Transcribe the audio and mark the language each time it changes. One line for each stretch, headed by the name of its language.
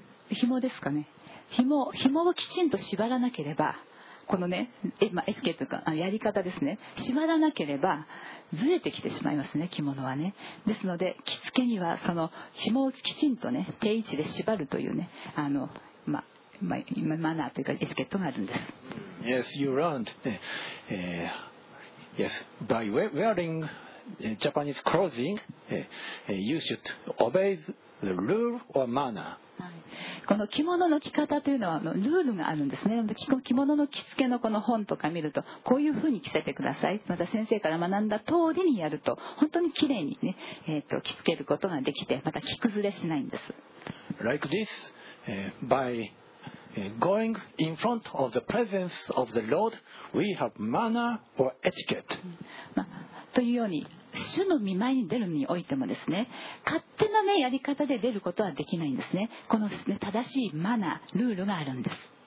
Japanese: 紐ですかね、紐をきちんと縛らなければ、このね、まあ、エチケットというかやり方ですね、縛らなければずれてきてしまいますね、着物はね。ですので着付けにはその紐をきちんとね定位置で縛るというね、あの、まあまあ、マナーというかエチケットがあるんです。
English: Yes, you learned、Yes, by wearing Japanese clothing you should obeyThe rule or manner.
Japanese: はい、この着物の着方というのはルールがあるんですね。着物の着付けのこの本とか見るとこういうふうに着せてください、また先生から学んだ通りにやると本当にきれいに、ね、着付けることができて、また着崩れしないんです。
English: Like this, by going in front of the presence of the Lord, we have manner or etiquette.、
Japanese: まあ、というように主の御前に出るにおいてもですね、勝手な、ね、やり方で出ることはできないんですね。この、ね、正しいマナー、ルールがあるんです。